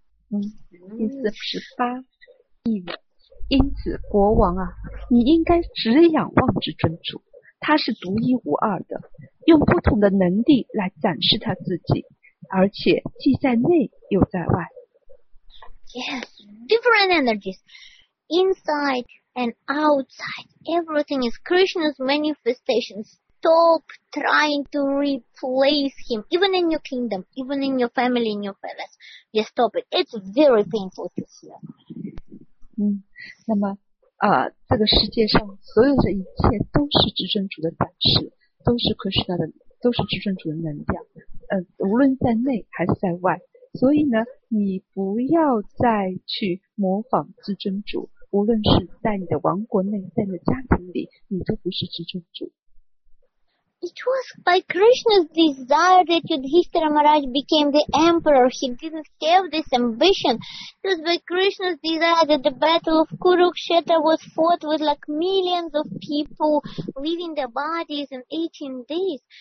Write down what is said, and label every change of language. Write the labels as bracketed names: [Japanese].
[Chinese] 第48，因此国王啊，你应该只仰望至尊主，他是独一无二的，用不同的能力来展示他自己，而且既在内又在外。 [English] Yes, different energies, inside and outside, everything is Krishna's manifestations. Stop trying to replace him, even in your kingdom, even in your family, in your palace. Just stop it. It's very painful to hear. [Chinese] 那么这个世界上所有的一切都是至尊主的展示，都是 Krishna 的，都是至尊主的能量。无论在内还是在外，所以呢，你不要再去模仿至尊主。无论是在你的王国内，在你的家庭里，你都不是至尊主。 [English] It was by Krishna's desire that Yudhishthira Maharaj became the emperor. He didn't have this ambition. It was by Krishna's desire that the battle of Kurukshetra was fought with like millions of people leaving their bodies in 18 days.